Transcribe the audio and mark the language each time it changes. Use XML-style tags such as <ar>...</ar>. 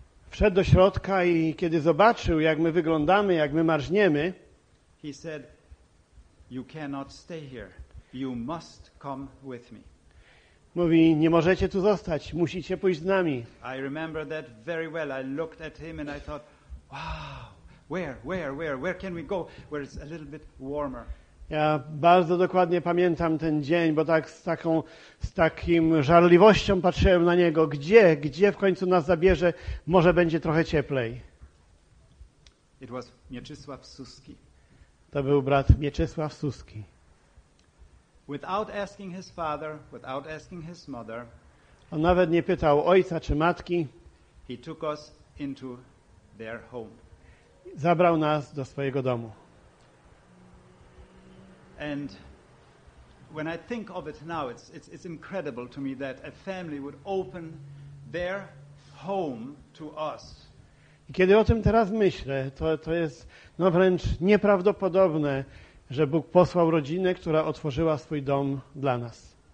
<pl>Wszedł do środka i kiedy zobaczył, jak my wyglądamy, jak my marzniemy,</pl> <en>he said, "You cannot stay here. You must come with me."</en> <pl>Mówi, nie możecie tu zostać, musicie pójść z nami.</pl> <en>I remember that very well. I looked at him and I thought, wow, where can we go, where it's a little bit warmer.</en> <pl>Ja bardzo dokładnie pamiętam ten dzień, bo tak z takim żarliwością patrzyłem na niego. Gdzie w końcu nas zabierze, może będzie trochę cieplej.</pl> <en>It was Mieczysław Suski.</en> <pl>To był brat Mieczysław Suski.</pl> <en>Without asking his father, without asking his mother,</en> <pl>on nawet nie pytał ojca czy matki,</pl> <en>he took us into their home.</en> <pl>Zabrał nas do swojego domu.</pl> <en>And when I think of it now, it's incredible to me that a family would open their home to us.</en> <pl>I kiedy o tym teraz myślę, to jest no wręcz nieprawdopodobne, że Bóg posłał rodzinę, która otworzyła swój dom dla nas.</pl>